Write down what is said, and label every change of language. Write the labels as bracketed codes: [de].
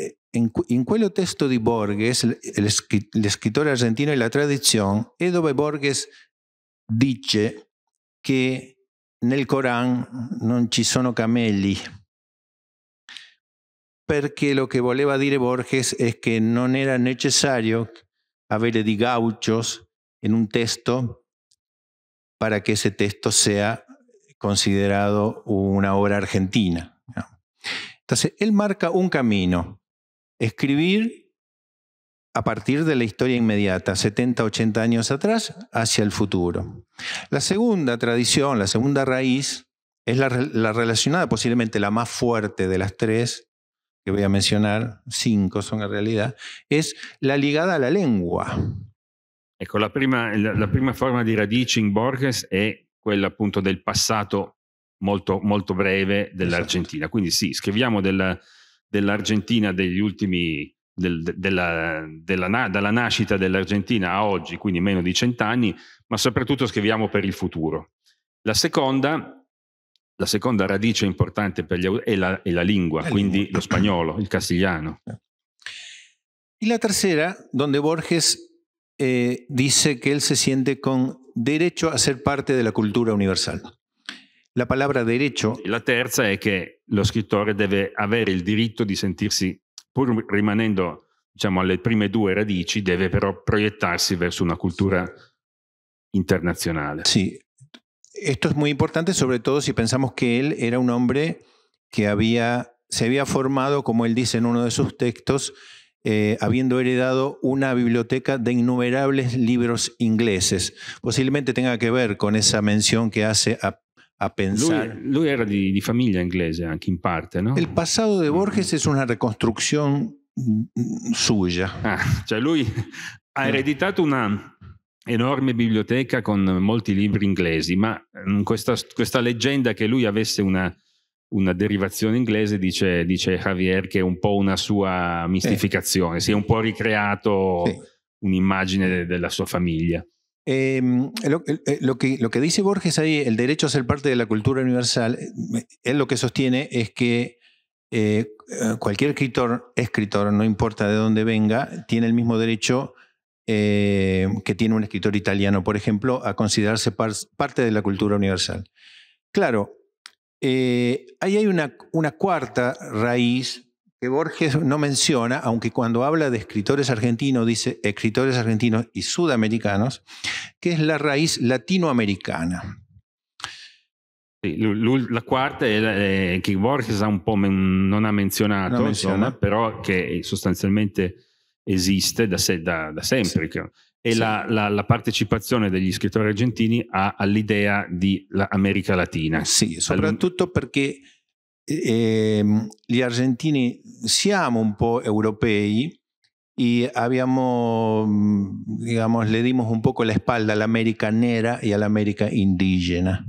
[it] In quello testo di Borges, L'escrittore argentino e la tradizione, è dove Borges dice che nel Corán non ci sono camelli, perché lo che voleva dire Borges è che non era necessario avere di gauchos in un testo per che ese testo sia considerato [es] una obra argentina. Entonces, él marca un camino. Escribir a partir de la historia inmediata, 70, 80 años atrás, hacia el futuro. La segunda tradición, la segunda raíz, es la relacionada, posiblemente la más fuerte de las tres que voy a mencionar, cinco son en realidad, es la ligada a la lengua. [it] Ecco, la prima forma di radici in Borges è quella appunto del passato molto, molto breve dell'Argentina. Esatto. Quindi sì, scriviamo dell'Argentina degli ultimi dalla nascita dell'Argentina a oggi, quindi meno di 100 anni, ma soprattutto scriviamo per il futuro. La seconda radice importante per gli è la lingua, quindi lo spagnolo, il castigliano. E la terza, dove Borges dice che [es] él se siente con derecho a ser parte [it] della cultura universale. La parola derecho. La terza è che lo scrittore deve avere il diritto di sentirsi, pur rimanendo, diciamo, alle prime due radici, deve però proiettarsi verso una cultura internazionale. Sì. [es] Esto es muy importante, sobre todo si pensamos que él era un hombre que se había formado, como él dice en uno de sus textos, habiendo heredado una biblioteca de innumerables libros ingleses. Posiblemente tenga que ver con esa mención que hace a pensar. Lui era de familia inglesa, [it] anche [es] en parte, ¿no? El pasado de Borges es una reconstrucción suya. [it] Ah, cioè lui ha hereditado una enorme biblioteca con molti libri inglesi, ma questa leggenda che lui avesse una derivazione inglese, dice Javier, che è un po' una sua mistificazione, si è un po' ricreato un'immagine della sua famiglia. Lo che dice Borges ahí, il diritto a essere parte della cultura universale, è lo che sostiene è che qualsiasi scrittore, non importa da dove venga, [es] tiene il mismo diritto que tiene un escritor italiano, por ejemplo, a considerarse parte de la cultura universal. Claro, ahí hay una cuarta raíz que Borges no menciona, aunque cuando habla de escritores argentinos dice escritores argentinos y sudamericanos, que es la raíz latinoamericana. Sí, la cuarta es que Borges ha un poco no ha mencionado, pero que sustancialmente [it] esiste da sempre, sì. E sì. La partecipazione degli scrittori argentini all'idea di l'America Latina. Sì, soprattutto perché gli argentini siamo un po' europei e abbiamo, diciamo, [es] le dimos [it] un po' la spalla all'America nera e all'America indigena.